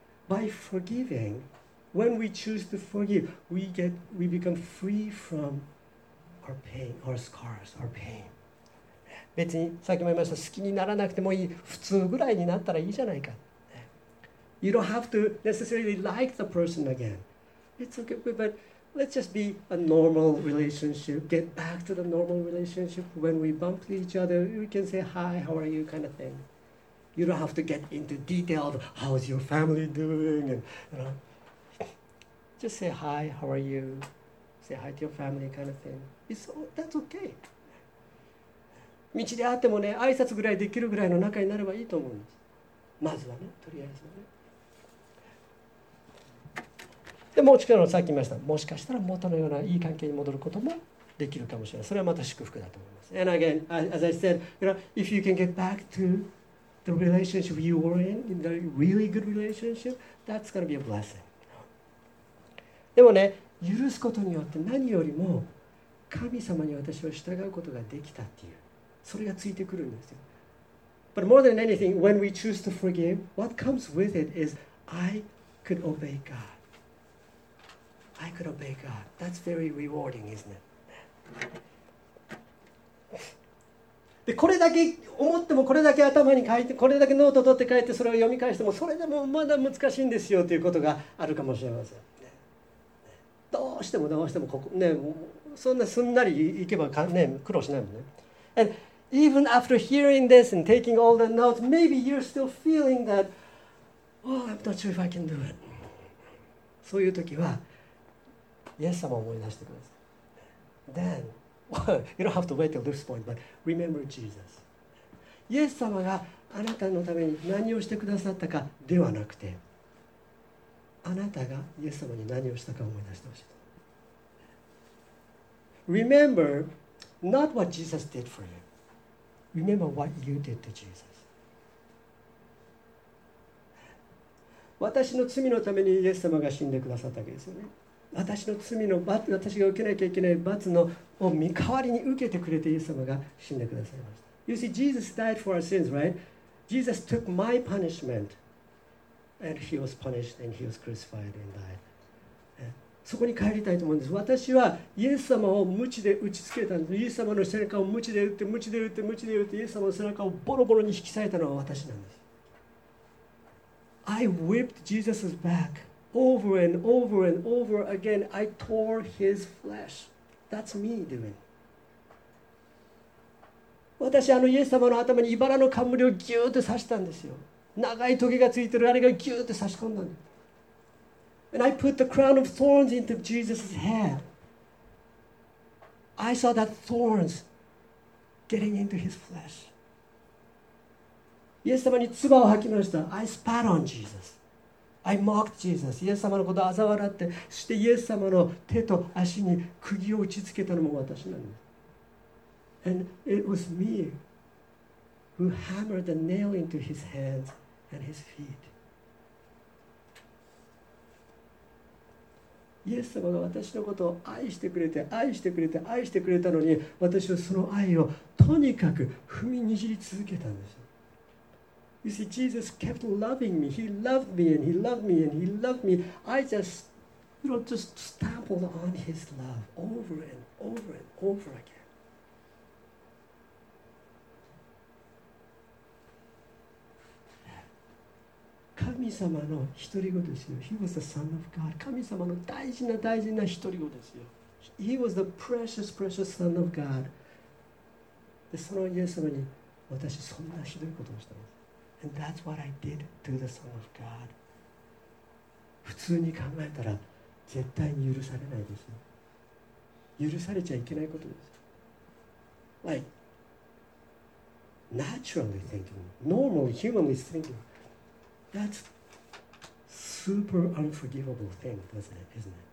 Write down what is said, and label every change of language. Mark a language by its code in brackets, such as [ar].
[en] By forgiving,When we choose to forgive, we become free from our pain, our scars, our pain. [ja] 別に、さっきも言いました、好きにならなくてもいい、普通ぐらいになったらいいじゃないか。 [en] You don't have to necessarily like the person again. It's okay, but let's just be a normal relationship, get back to the normal relationship. When we bump into each other, we can say, hi, how are you, kind of thing. You don't have to get into detail of how's your family doing, and, you know. Just say hi, how are you? Say hi to your family, kind of thing. It's all, that's okay. [ja] 道であってもね、挨拶ぐらいできるぐらいの仲になればいいと思うんです。まずはね、とりあえずはね。でもちろんさっき言いました、もしかしたら元のようないい関係に戻ることもできるかもしれない。それはまた祝福だと思います。 [en] And again, as I said, you know, if you can get back to the relationship you were in the really good relationship, that's going to be a blessing. [ja] でもね、許すことによって何よりも神様に私を従うことができたっていう、それがついてくるんですよ。 [en] But more than anything, when we choose to forgive, what comes with it is I could obey God. I could obey God. That's very rewarding, isn't it? [ja] で、これだけ思っても、これだけ頭に書いて、これだけノート取って書いて、それを読み返しても、それでもまだ難しいんですよということがあるかもしれません。どうしてもどうしてもここ、ね、そんなすんなりいけば、ね、苦労しないもんね。 [en] And even after hearing this and taking all the notes, maybe you're still feeling that, oh, I'm not sure if I can do it. [ja] そういう時は、イエス様を思い出してください。 [en] Then, you don't have to wait till this point, but remember Jesus. [ja] イエス様があなたのために何をしてくださったかではなくて、あなたがイエス様に何をしたかを思い出してほしい。 [en] Remember not what Jesus did for you. Remember what you did to Jesus. [ja] 私の罪のためにイエス様が死んでくださったわけですよね。私の罪の罰、私が受けなきゃいけない罰のを身代わりに受けてくれてイエス様が死んでくださいました。 [en] You see, Jesus died for our sins, right? Jesus took my punishment and he was punished and he was crucified and died. [ja] そこに帰りたいと思うんです。私はイエス様を鞭で打ちつけたんです。イエス様の背中を鞭で打って、鞭で打って、鞭で打って、イエス様の背中をボロボロに引き裂いたのは私なんです。 [en] I whipped Jesus' back over and over and over again. I tore his flesh. That's me doing. [ja] 私あのイエス様の頭に茨の冠をギューッと刺したんですよ。長い棘がついてるあれがギューッと刺し込んだんです。 [en] And I put the crown of thorns into Jesus' head. I saw that thorns getting into his flesh. [ja] イエス様に唾を吐きました。 [en] I spat on Jesus. I mocked Jesus. [ja] イエス様のことを嘲笑って、そしてイエス様の手と足に釘を打ちつけたのも私なんです。 [en] And it was me who hammered the nail into his hands and his feet. [ja] イエス様が私のことを愛してくれて、愛してくれて、愛してくれたのに、私はその愛をとにかく踏みにじり続けたんです。 [en] You see, Jesus kept loving me. He loved me and he loved me and he loved me. I just, you know, just stamped on his love over and over and over again. [ja] 神様の独り子ですよ。 [en] He was the son of God. [ja] 神様の大事な大事な独り子ですよ。 [en] He was the precious, precious son of God. [ja] で、そのイエス様に、私そんなひどいことをしたの。 [en] And that's what I did to the son of God. [ja] 普通に考えたら絶対に許されないですよ。許されちゃいけないことです。 [en] Like, naturally thinking, normally, humanly thinking,That's super unforgivable thing, doesn't it? Isn't it?